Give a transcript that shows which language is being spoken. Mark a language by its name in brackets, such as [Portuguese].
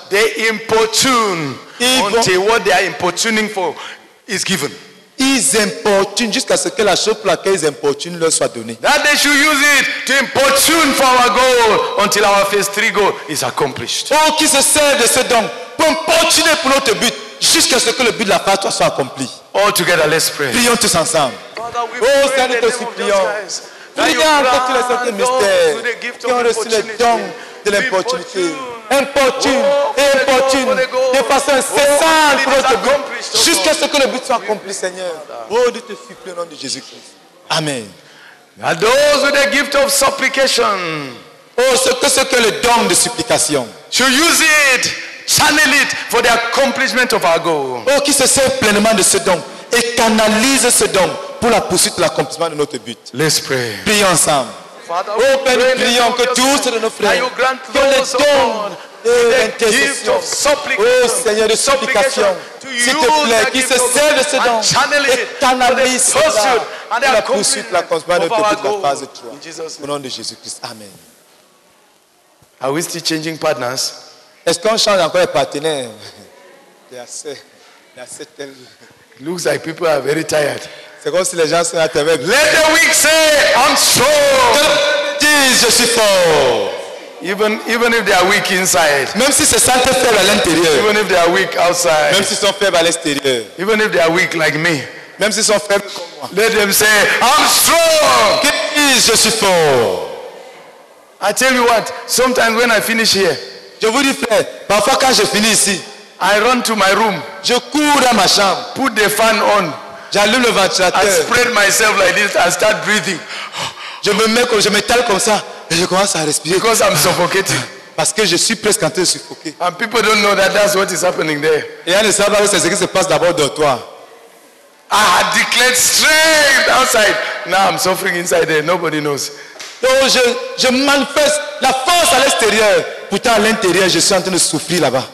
[English] They importune until what they are importuning for is given. [French] Ils importunent jusqu'à ce que la chose pour laquelle ils importunent leur soit donnée. [English] That they should use it to importune for our goal until our phase 3 goal is accomplished. [French] Oh, qui se sert de ce don pour importuner pour notre but jusqu'à ce que le but de la phase 3 soit accompli. [English] All together, let's pray. [French] Prions tous ensemble. Oh, Seigneur, nous te supplions. Prions encore tous les autres mystères qui ont reçu le don de l'importunité. Importune et importune de façon incessante pour notre but. Jusqu'à ce que le but soit accompli, Seigneur. Oh, nous te supplions au nom de Jésus-Christ. Amen. [English] And those with the gift of supplication. [French] Oh, ce que c'est que le don de supplication. [English] To use it, channel it for the accomplishment of our goal. [French] Oh, qui se sert pleinement de ce don et canalise ce don pour la poursuite de l'accomplissement de notre but. [English] Let's pray. [French] Prions ensemble. [English] Father, [French] oh Père, nous prions que tous de nos frères qui ont les dons d'intercession, oh Seigneur de supplication, s'il te plaît, qu'ils se servent de ce don et canalisent cela pour la poursuite de l'accomplissement de notre but de la phase 3. Au nom de Jésus-Christ. Amen. [English] Are we still changing partners? [French] Est-ce qu'on change encore les partenaires? Il y a assez tel. [English] Looks like people are very tired. [French] C'est comme si les gens sont à [English] let the weak say, I'm strong. [French] Je suis fort. [English] Even if they are weak inside. [French] Même si c'est sans faible à l'intérieur. [English] Even if they are weak outside. [French] Même si sont faibles à l'extérieur. [English] Even if they are weak like me. [French] Même si sont faibles comme moi. [English] Let them say, I'm strong. [French] Je suis fort. [English] I tell you what, sometimes when I finish here. [French] Je vous dis frère, parfois quand je finis ici. [English] I run to my room. [French] Je cours à ma chambre. [English] Put the fan on. [French] J'allume le ventilateur. [English] I spread myself like this and start breathing. [French] Je m'étale comme ça et je commence à respirer. [English] Because I'm suffocating. [French] Parce que je suis presque en train de suffoquer. [English] And people don't know that that's what is happening there. [French] Et elles ne savent pas que c'est ce qui se passe d'abord dans toi. [English] I had declared strength outside. Now I'm suffering inside there. Nobody knows. [French] Donc je manifeste la force à l'extérieur. Pourtant, à l'intérieur, je suis en train de souffrir là-bas.